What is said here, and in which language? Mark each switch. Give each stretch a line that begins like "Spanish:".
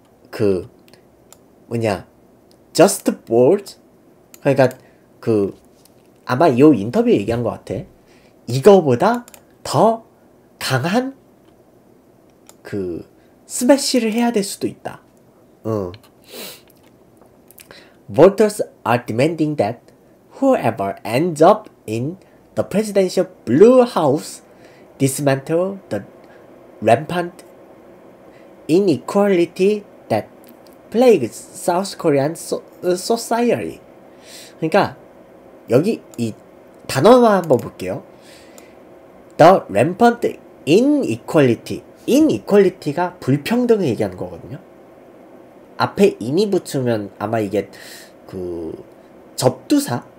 Korean: 그 뭐냐,
English: just balls?
Korean: 그러니까 그 아마 요 인터뷰 얘기한 것 같아. 이거보다 더 강한 그 스매시를 해야 될 수도 있다.
English: Voters are demanding that whoever ends up in the presidential blue house dismantle the rampant inequality plague South Korean society.
Korean: 그러니까 여기 이 단어만 한번 볼게요.
English: The rampant inequality.
Korean: inequality가 불평등을 얘기하는 거거든요. 앞에 in이 붙으면 아마 이게 그 접두사?